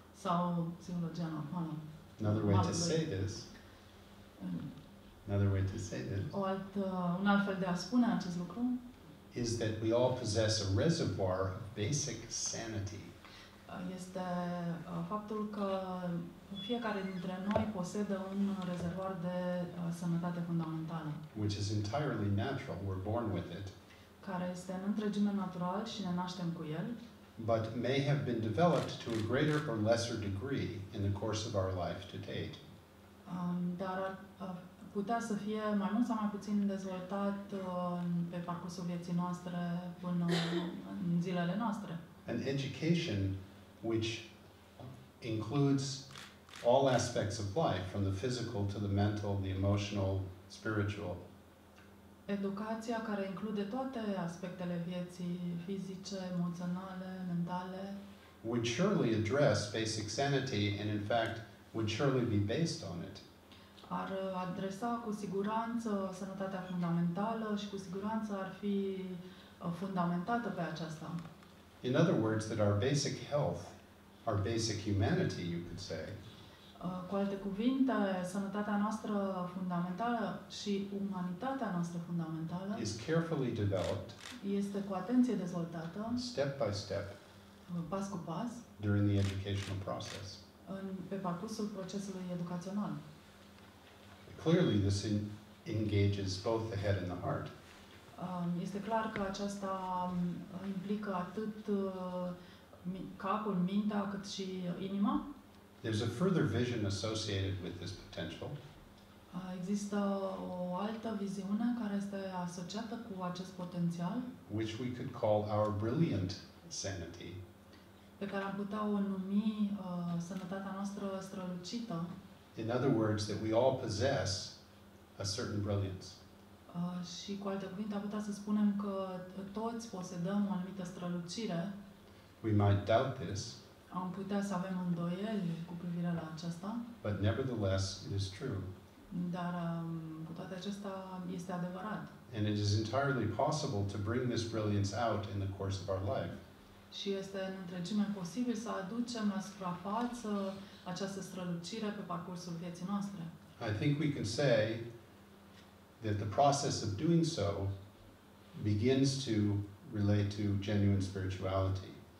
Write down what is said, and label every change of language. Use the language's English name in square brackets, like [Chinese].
[Romanian] Sau psihologia normală. [English] Another way to say this. Another way to say this. [Romanian] O altă, un alt fel de a spune acest lucru. [English] Is that we all possess a reservoir of basic sanity. [Romanian] Este faptul că fiecare dintre noi posedă un rezervor de sănătate fundamentală. [English] Which is entirely natural. We're born with it. [Romanian] Care este în întregime natural și ne naștem cu el. [English] But may have been developed to a greater or lesser degree in the course of our life to date. [Romanian] Dar putea să fie mai mult sau mai puțin dezvoltat pe parcursul vieții noastre până în zilele noastre. [English] An education which includes all aspects of life, from the physical to the mental, the emotional, spiritual. [Romanian] Educația care include toate aspectele vieții fizice, emoționale, mentale. [English] Would surely address basic sanity and in fact would surely be based on it. [Romanian] Ar adresa cu siguranță sănătatea fundamentală și cu siguranță ar fi fundamentată pe aceasta. [English] In other words, that our basic health, our basic humanity, you could say. [Romanian] Cu alte cuvinte, sănătatea noastră fundamentală și umanitatea noastră fundamentală [English] is carefully developed, [Romanian] este cu atenție dezvoltată, [English] step by step, [Romanian] pas cu pas, [English] during the educational process. [Romanian] Pe parcursul procesului educațional. [English] Clearly, this engages both the head and the heart. [Romanian] Este clar că aceasta implică atât capul, mintea, cât și inima. [English] There's a further vision associated with this potential. [Romanian] Există o altă viziune care este asociată cu acest potențial. [English] Which we could call our brilliant sanity. [Romanian] Pe care am putea o numi sănătatea noastră strălucită. [English] In other words, that we all possess a certain brilliance. [Romanian] Și cu alte cuvinte, am putea să spunem că toți posedăm o anumită strălucire. [English] We might doubt this. [Romanian] Am putea să avem îndoieli cu privire la aceasta. [English] But nevertheless, it is true. [Romanian] Dar cu toate acestea, este adevărat. [English] And it is entirely possible to bring this brilliance out in the course of our life. [Romanian] Și este în întregime posibil să aducem la suprafață această strălucire pe parcursul vieții noastre. [English] I think we can say that the process of doing so begins to relate to genuine spirituality.